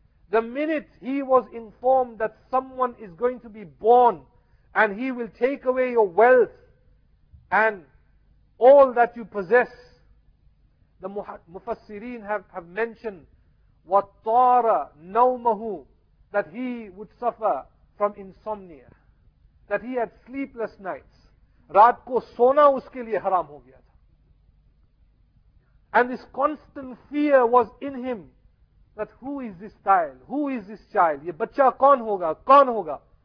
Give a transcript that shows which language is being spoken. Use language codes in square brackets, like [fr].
[en] The minute he was informed that someone is going to be born and he will take away your wealth and all that you possess, the Mufassireen have mentioned [ar] وَطَارَ نَوْمَهُ, [en] that he would suffer from insomnia, that he had sleepless nights. [ur] رات کو سونا اس کے لئے حرام ہو گیا تھا. [en] And this constant fear was in him. That who is this child? Who is this child? [ur] Ye bacha kaun hoga? Kaun hoga?